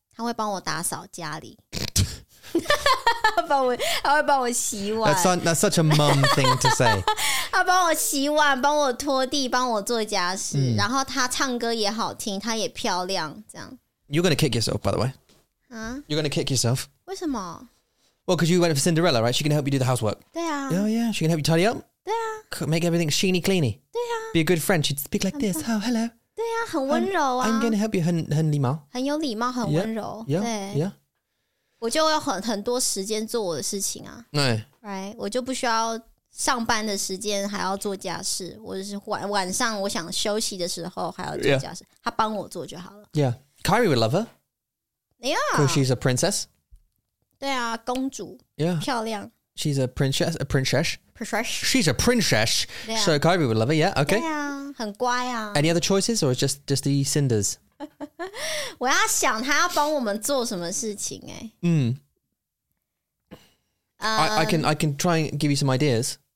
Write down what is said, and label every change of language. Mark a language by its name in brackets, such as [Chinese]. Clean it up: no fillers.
[Chinese] 她会帮我打扫家里。帮我，他会帮我洗碗。 [English] That's such a mum thing to say. [Chinese] 他帮我洗碗，帮我拖地，帮我做家事。 Mm. 然后他唱歌也好听，他也漂亮，这样。 [English] You're gonna kick yourself, by the way. Huh? You're gonna kick yourself. [Chinese] 为什么？ [English] Well, because you went for Cinderella, right? She can help you do the housework. [Chinese] 对啊。 [English] Oh yeah, she can help you tidy up. [Chinese] 对啊。 [English] Make everything sheeny, cleany. [Chinese] 对啊。 [English] Be a good friend. She'd speak like this. Oh, hello. [Chinese] 对啊，很温柔啊。 [English] I'm gonna help you. [Chinese] 很礼貌。很有礼貌，很温柔。 [English] Yeah. Yeah. [Chinese] 我就有很多时间做我的事情啊，对，right， 我就不需要上班的时间还要做家事，我就是晚上我想休息的时候还要做家事， [English] yeah. [Chinese] 他帮我做就好了。 [English] Yeah， Kyrie would love her. Yeah， because she's a princess. [Chinese] 对啊，公主。 [English] Yeah， [Chinese] 漂亮。 [English] She's a princess. A princess. Princess. She's a princess.、啊、 so Kyrie would love her. Yeah. Okay. [Chinese] 对啊，很乖啊。 [English] Any other choices, or just the cinders? [Chinese] 我要想他要帮我们做什么事情欸。嗯。 [English] I can try and give you some ideas.